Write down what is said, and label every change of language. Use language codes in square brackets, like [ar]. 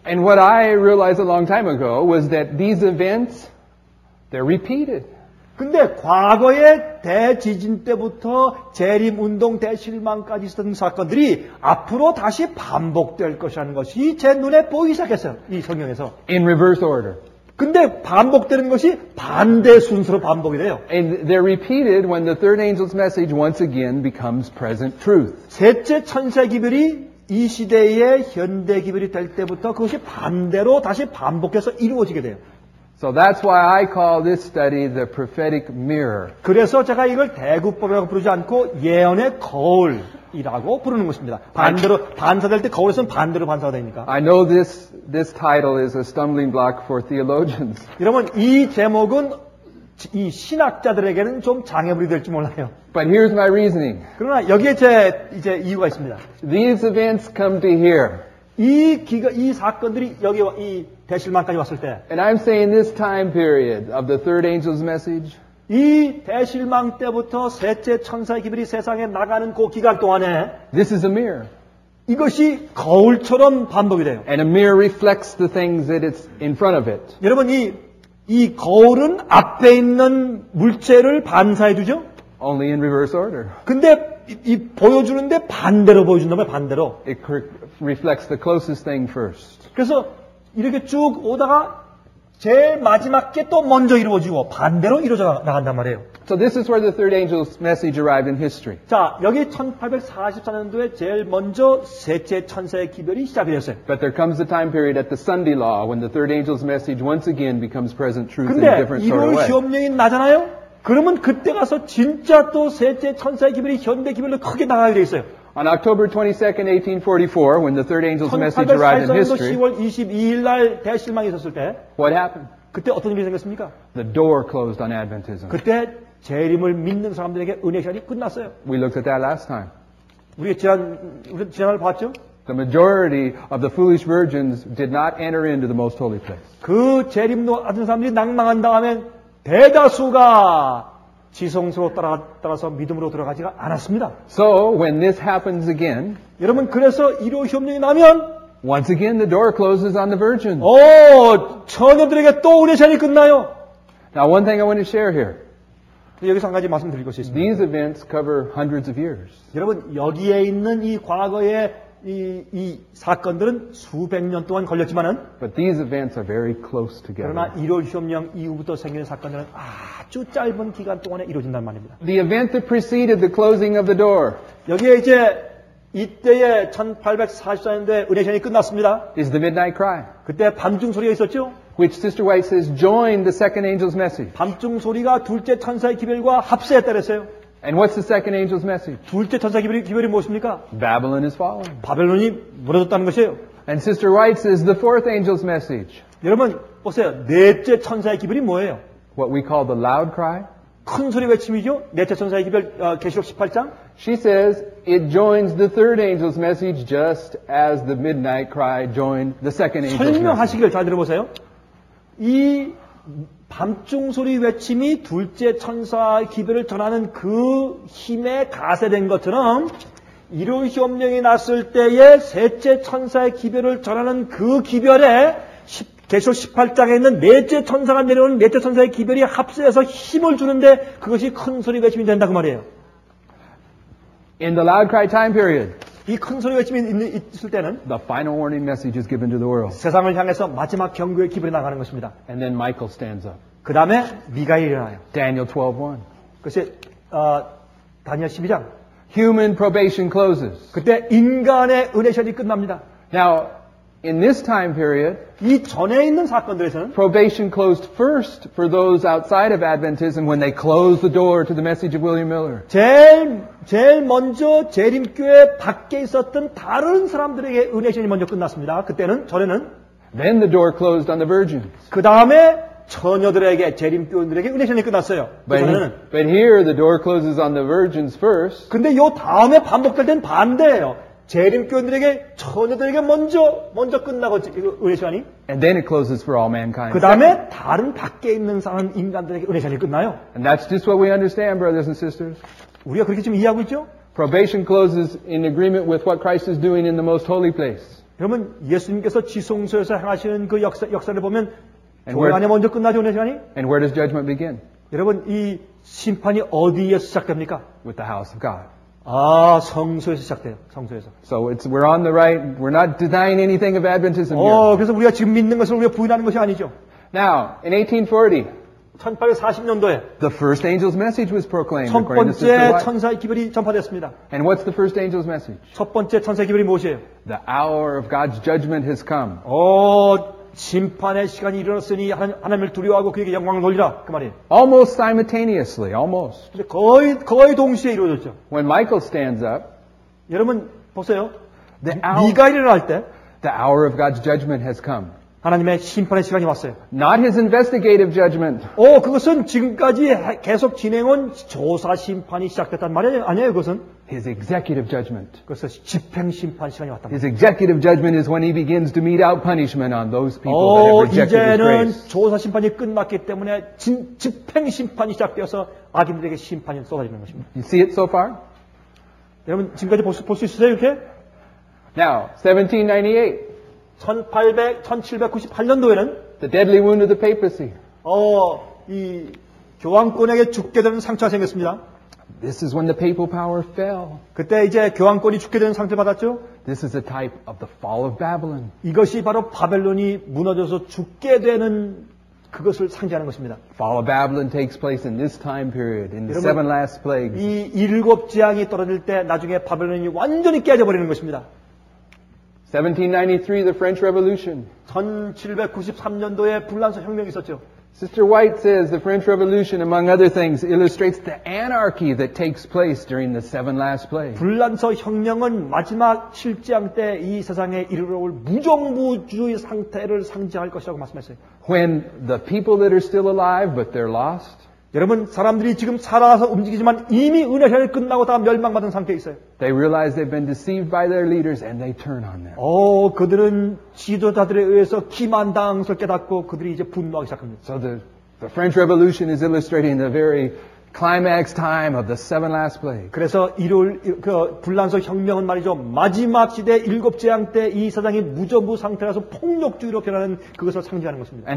[en] And what I realized a long time ago was that these events they're repeated. [ko] 근데 과거에 대지진 때부터 재림 운동 대실망까지 있었던 사건들이 앞으로 다시 반복될 것이라는 것이 제 눈에 보이기 시작했어요. 이 성경에서. [en] In reverse order. [ko] 근데 반복되는 것이 반대 순서로 반복이 돼요. [en] And they're repeated when the third angel's message once again becomes present truth. [ko] 셋째 천사 기별이 이 시대의 현대 기별이 될 때부터 그것이 반대로 다시 반복해서 이루어지게 돼요. [en] So that's why I call this study the prophetic mirror. [ko] 그래서 제가 이걸 대구법이라고 부르지 않고 예언의 거울이라고 부르는 것입니다. 반대로 반사될 때 거울에서는 반대로 반사가 되니까. [en] I know this title is a stumbling block for theologians. [ko] 여러분 이 제목은 이 신학자들에게는 좀 장애물이 될지 몰라요. [en] But here's my reasoning. [ko] 그러나 여기에 제 이제 이유가 있습니다. [en] These events come to here. [ko] 이 사건들이 여기 이 대실망까지 왔을 때 [en] And I'm saying this time period of the third angel's message [ko] 이 대실망 때부터 셋째 천사의 기별이 세상에 나가는 그 기간 동안에 [en] This is a mirror [ko] 이것이 거울처럼 반복이 돼요. [en] And a mirror reflects the things that it's in front of it. [ko] 여러분 이 거울은 앞에 있는 물체를 반사해 주죠? [en] Only in reverse order. [ko] 근데 이 보여주는데 반대로 보여준단 말이에요, 반대로. [en] It reflects the closest thing first. [ko] 그래서 이렇게 쭉 오다가 제일 마지막에 또 먼저 이루어지고 반대로 이루어져 나간단 말이에요. [en] So this is where the third angel's message arrived in history. [ko] 자, 여기 1844년도에 제일 먼저 셋째 천사의 기별이 시작이 됐어요. [en] But there comes a time period at the Sunday law when the third angel's message once again becomes present truth in a different sort of way. [ko] 근데 이걸 시험령인 나잖아요? 그러면 그때 가서 진짜 또 셋째 천사의 기별이 현대 기별로 크게 나가게 돼 있어요. [en] On October 22nd, 1844, when the third angel's message arrived in history, [ko] 1844년도 10월 22일날 대실망이 있었을 때, [en] What happened? [ko] 그때 어떤 일이 생겼습니까? [en] The door closed on Adventism. [ko] 그때 재림을 믿는 사람들에게 은혜 시간이 끝났어요. [en] We looked at that last time. [ko] 우리 지난날 봤죠? [en] The majority of the foolish virgins did not enter into the most holy place. [ko] 그 재림도 하던 사람들이 낙망한 다음에 대다수가 지성소로 따라서 믿음으로 들어가지가 않았습니다. [en] So when this happens again, [ko] 여러분 그래서 이로 협력이 나면 [en] once again the door closes on the virgin. [ko] 오, 처녀들에게 또 은혜 시간이 끝나요. [en] Now one thing I want to share here. [ko] 여기서 한 가지 말씀드릴 것이 있습니다. [en] These events cover hundreds of years. [ko] 여러분 여기에 있는 이 과거의 이 사건들은 수백 년 동안 걸렸지만은 [en] But these events are very close together. [ko] 그러나 1월 협력 이후부터 생기는 사건들은 아주 짧은 기간 동안에 이루어진단 말입니다. [en] The event that preceded the closing of the door. [ko] 여기에 이제 이때에 1844년도에 은혜 시간이 끝났습니다. [en] Is the midnight cry. [ko] 그때 밤중 소리가 있었죠? [en] Which Sister White says joined the second angel's message. [ko] 밤중 소리가 둘째 천사의 기별과 합세했다랬어요. [en] And what's the second angel's message? [ko] 둘째 천사 기별이 무엇입니까? [en] Babylon is fallen. [ko] 바벨론이 무너졌다는 것이에요. [en] And Sister White says the fourth angel's message. [ko] 여러분 보세요. 넷째 천사의 기별이 뭐예요? [en] What we call the loud cry? [ko] 큰 소리 외침이죠. 넷째 천사의 기별 계시록 18장. [en] She says it joins the third angel's message just as the midnight cry joined the second angel's message. [ko] 설명하시기를 잘 들어보세요. 이 밤중 소리 외침이 둘째 천사의 기별을 전하는 그 힘에 가세된 것처럼 일요일 협령이 났을 때에 셋째 천사의 기별을 전하는 그 기별에 계시록 18장에 있는 넷째 천사가 내려오는 넷째 천사의 기별이 합세해서 힘을 주는데 그것이 큰 소리 외침이 된다고 말이에요. [en] In the loud cry time period. [ko] 이 큰 소리 외침이 있을 때는 [en] the final warning message is given to the world. [ko] 세상을 향해서 마지막 경고의 기별이 나가는 것입니다. [en] And then Michael stands up. [ko] 그 다음에 미가엘이 일어나요. [en] Daniel 12:1. [ko] 그것이 다니엘 12장. [en] Human probation closes. [ko] 그때 인간의 은혜 시간이 끝납니다. [en] Now In this time period, [ko] 이 전에 있는 사건들에서는 [en] probation closed first for those outside of Adventism when they closed the door to the message of William Miller. [ko] 제일 먼저 재림교회 밖에 있었던 다른 사람들에게 은혜신이 먼저 끝났습니다. 그때는 전에는 [en] then the door closed on the virgins. [ko] 그다음에 처녀들에게 재림교인들에게 은혜신이 끝났어요. [en] But here the door closes on the virgins first. [ko] 근데 요 다음에 반복될 땐 반대예요. 재림교인들에게 처녀들에게 먼저 끝나고 은혜 시간이 [en] and then it closes for all mankind. [ko] 그다음에 다른 밖에 있는 사람 인간들에게 은혜 시간이 끝나요. [en] And that's just what we understand, brothers and sisters. [ko] 우리가 그렇게 지금 이해하고 있죠? [en] Probation closes in agreement with what Christ is doing in the most holy place. [ko] 그러면 예수님께서 지성소에서 행하시는 그 역사를 보면 교회 안에 먼저 끝나죠, 은혜 시간이? [en] And where does judgment begin? [ko] 여러분 이 심판이 어디에서 시작됩니까? [en] With the house of God. [ko] 아, 성소에서 시작돼요. 성소에서. [en] So it's we're on the right. We're not denying anything of Adventism here. [ko] 그래서 우리가 지금 믿는 것을 우리가 부인하는 것이 아니죠. [en] Now, in [ko] 1840, 1840년도에 [en] the first angel's message was proclaimed. [ko] 첫 번째 천사의 기별이 전파됐습니다. [en] And what's the first angel's message? [ko] 첫 번째 천사의 기별이 무엇이에요? [en] The hour of God's judgment has come. [ko] 심판의 시간이 일어났으니 하나님을 두려워하고 그에게 영광을 돌리라 그 말이에요. [en] Almost simultaneously, almost. [ko] 거의 동시에 이루어졌죠. [en] When Michael stands up, [ko] 여러분 보세요. 네가 일어날 때, [en] the hour of God's judgment has come. [ko] 하나님의 심판의 시간이 왔어요. [en] Not His investigative judgment. [ko] 그것은 지금까지 계속 진행한 조사 심판이 시작됐단 말이에요. 아니에요, 그것은? [en] His executive judgment. [ko] 그것은 집행 심판 시간이 왔단 말이에요. [en] His executive judgment is when He begins to mete out punishment on those people that have rejected His grace. [ko] 이제는 조사 심판이 끝났기 때문에 집행 심판이 시작되어서 악인들에게 심판이 쏟아지는 것입니다. [en] You see it so far? [ko] 여러분 지금까지 볼 수 있으세요, 이렇게? [en] Now, 1798. [ko] 1798년도에는 [en] the deadly wound of the papacy. [ko] 이 교황권에게 죽게 되는 상처가 생겼습니다. [en] This is when the papal power fell. [ko] 그때 이제 교황권이 죽게 되는 상처를 받았죠. [en] This is a type of the fall of Babylon. [ko] 이것이 바로 바벨론이 무너져서 죽게 되는 그것을 상징하는 것입니다. [en] Fall of Babylon takes place in this time period in the seven last plagues. [ko] 이 일곱 재앙이 떨어질 때 나중에 바벨론이 완전히 깨져 버리는 것입니다. [en] 1793, the French Revolution. [ko] 1793년도에 불란서 혁명이 있었죠. [en] Sister White says the French Revolution, among other things, illustrates the anarchy that takes place during the seven last plagues. [ko] 불란서 혁명은 마지막 7장 때 이 세상에 이르러올 무정부주의 상태를 상징할 것이라고 말씀했어요. [en] When the people that are still alive, but they're lost. [ko] 여러분 사람들이 지금 살아서 움직이지만 이미 은혜 시간이 끝나고 다 멸망받은 상태에 있어요. [en] They realize they've been deceived by their leaders and they turn on them. [ko] 그들은 지도자들에 의해서 기만당한 것을 깨닫고 그들이 이제 분노하기 시작합니다. [en] So the French Revolution is illustrating the very climax time of the seven last plagues. [ko] 그래서 일요일 그 불란서 혁명은 말이죠. 마지막 시대 일곱 재앙 때 이 세상이 무정부 상태라서 폭력주의로 변하는 그것을 상징하는 것입니다.